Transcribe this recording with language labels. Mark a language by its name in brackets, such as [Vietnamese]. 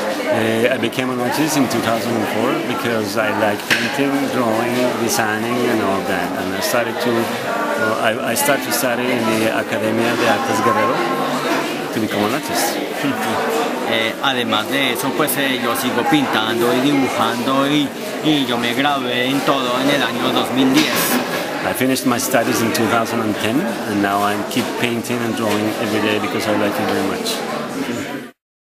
[English] I became an artist in 2004 because I like painting, drawing, designing and all that. And I started to study in the Academia de Artes Guerrero to become an artist. [Spanish] Además de eso, pues yo sigo pintando y dibujando y yo me gradué en todo en el año 2010. [English] I finished my studies in 2010 and now I keep painting and drawing every day because I like it very much.